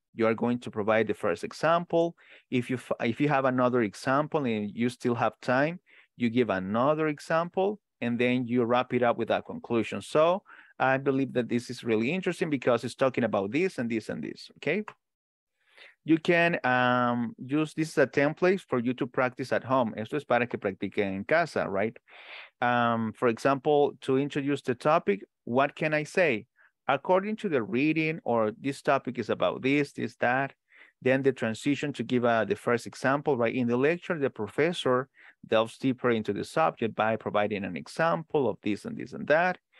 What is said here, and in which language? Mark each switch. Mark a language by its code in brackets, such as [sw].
[en] You are going to provide the first example. If you have another example and you still have time, you give another example, and then you wrap it up with a conclusion. So I believe that this is really interesting because it's talking about this and this and this, okay? You can use this as a template for you to practice at home. [es] Esto es para que practiquen en casa, [en] right? For example, to introduce the topic, what can I say? According to the reading, or this topic is about this, this, that. Then the transition to give the first example, right? In the lecture, the professor delves deeper into the subject by providing an example of this and this and that.